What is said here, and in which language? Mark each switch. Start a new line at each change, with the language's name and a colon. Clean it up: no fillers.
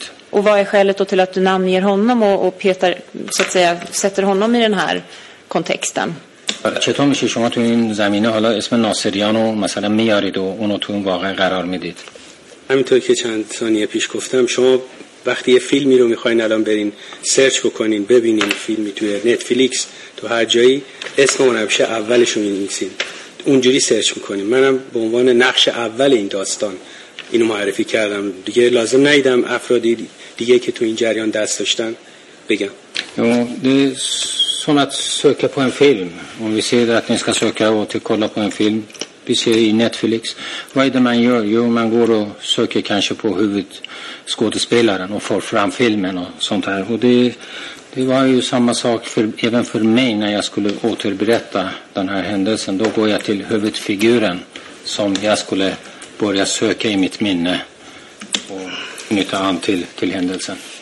Swedish: Och vad är skälet då till att du namnger honom och Peter, så att säga, sätter honom i den här kontexten?
Persian: چطور میشه شما تو این زمینه حالا اسم ناصریان رو مثلا میارید و اونو تو این واقعه قرار میدید؟ همینطور که چند ثانیه پیش گفتم، شما وقتی یه فیلمی رو میخواین الان برین سرچ بکنین ببینین، فیلمی توی نتفلیکس تو هر جایی، اسم اون همشه اولش رو می‌نویسین، اونجوری سرچ میکنین. منم به عنوان نقش اول این داستان اینو معرفی کردم دیگه، لازم نیدم افرادی دیگه که تو این جریان دست داشتن بگم.
Swedish: Som att söka på en film. Om vi säger att ni ska söka och kolla på en film. Vi ser i Netflix. Vad är det man gör? Jo, man går och söker kanske på huvudskådespelaren och får fram filmen och sånt här. Och det var ju samma sak även för mig när jag skulle återberätta den här händelsen. Då går jag till huvudfiguren som jag skulle börja söka i mitt minne och knyta an till händelsen.